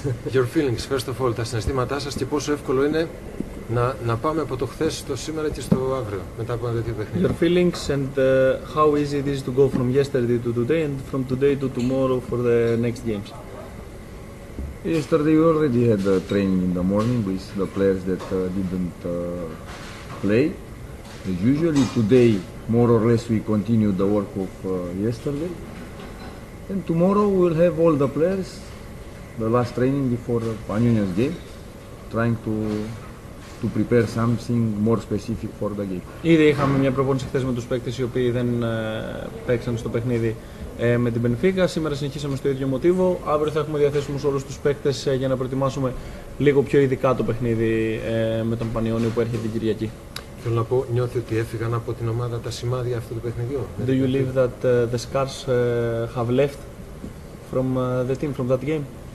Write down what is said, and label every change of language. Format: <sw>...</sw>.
<en>Your feelings, first of all,</en> <el>τα συναισθήματά σας και πόσο εύκολο είναι να πάμε από το χθες στο σήμερα και στο αύριο, μετά από ένα τέτοιο παιχνίδι.</el> <en>Your feelings and how easy it is to go from yesterday to today and from today to tomorrow for the next games. Yesterday we already had a training in the morning with the players that didn't play as usual. Today, more or less, we continue the work of yesterday. And tomorrow we'll have all the players, the last training before Panionios game, trying to prepare something more specific for the game.</en> <el>Ήδη είχαμε μια προπόνηση χθες με τους παίκτες οι οποίοι δεν παίξαν στο παιχνίδι με την Μπενφίκα. Σήμερα συνεχίσαμε στο ίδιο μοτίβο. Αύριο θα έχουμε διαθέσιμους όλους τους παίκτες για να προετοιμάσουμε λίγο πιο ειδικά το παιχνίδι με τον Πανιόνιο που έρχεται την Κυριακή. Θέλω να πω, νιώθει ότι έφυγαν από την ομάδα τα σημάδια αυτού του παιχνιδιού.</el> <en>Do you believe that the scars have left from the team, from that game?</en>